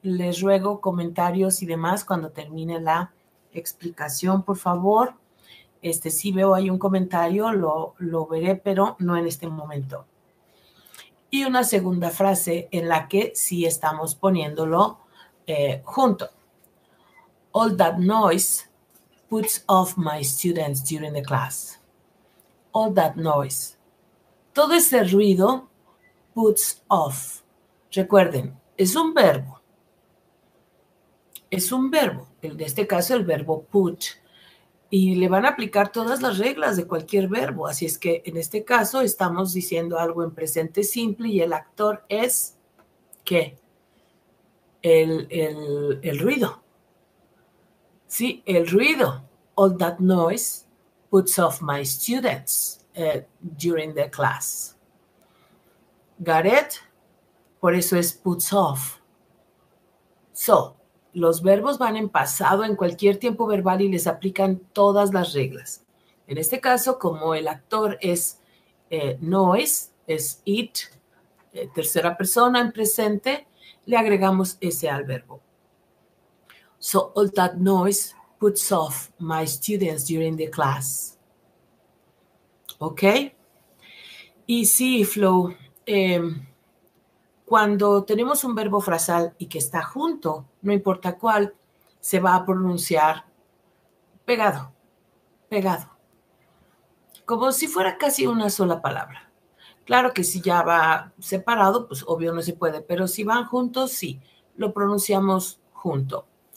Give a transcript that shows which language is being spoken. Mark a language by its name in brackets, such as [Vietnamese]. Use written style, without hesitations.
[Spanish] Les ruego comentarios y demás cuando termine la explicación, por favor. Si veo hay un comentario, lo veré, pero no en este momento. Y una segunda frase en la que sí estamos poniéndolo junto. [English] All that noise puts off my students during the class. All that noise. [Spanish] Todo ese ruido [English] puts off. [Spanish] Recuerden, es un verbo. Es un verbo. En este caso, el verbo put. Y le van a aplicar todas las reglas de cualquier verbo. Así es que en este caso estamos diciendo algo en presente simple y el actor es ¿qué? El ruido. Sí, el ruido. [English] All that noise puts off my students during the class. Got it? [Spanish] Por eso es puts off. So, los verbos van en pasado en cualquier tiempo verbal y les aplican todas las reglas. En este caso, como el actor es noise, es it, tercera persona en presente, le agregamos ese al verbo. [English] So, all that noise puts off my students during the class. [Spanish] ¿Ok? Y sí, Flo, cuando tenemos un verbo frasal y que está junto, no importa cuál, se va a pronunciar pegado, pegado. Como si fuera casi una sola palabra. Claro que si ya va separado, pues obvio no se puede, pero si van juntos, sí, lo pronunciamos junto.